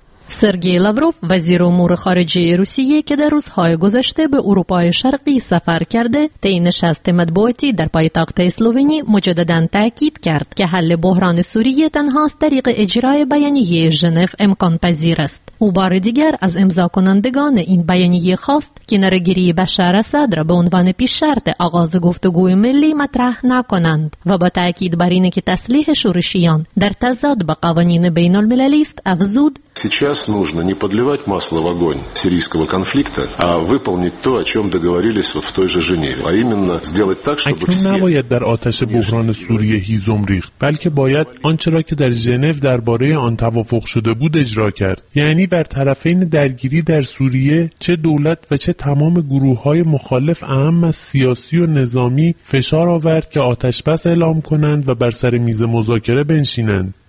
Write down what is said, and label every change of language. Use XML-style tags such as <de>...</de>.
<fa>سرگی لاوروف، وزیر امور خارجه روسیه که در روزهای گذشته به اروپای شرقی سفر کرده، طی نشست مطبوعاتی در پایتخت اسلوونی مجدداً تأکید کرد که حل بحران سوریه تنها از طریق اجرای بیانیه ژنو امکان پذیر است. او بار دیگر از امضا کنندگان این بیانیه خواست کنارگیری بشار اسد را به عنوان پیش شرط آغاز گفتگوی ملی مطرح نکنند و با تأکید بر این که تسلیح شورشیان در تضاد با قوانین بین المللی است افزود:</fa> <ru>Сейчас нужно не подливать масло в огонь сирийского конфликта, а выполнить то, о чем договорились вот в той же Женеве, а именно сделать так, чтобы все.</ru> <fa>Не باید در آتش بحران سوریه هیزم ریخت، بلکه باید آنچه را که در ژنو درباره آن توافق شده بود اجرا کرد. یعنی بر طرفین درگیری در سوریه، چه دولت و چه تمام گروه‌های مخالف، اهم از سیاسی و نظامی، فشار آورد که آتش بس اعلام کنند و بر سر میز مذاکره بنشینند.</fa>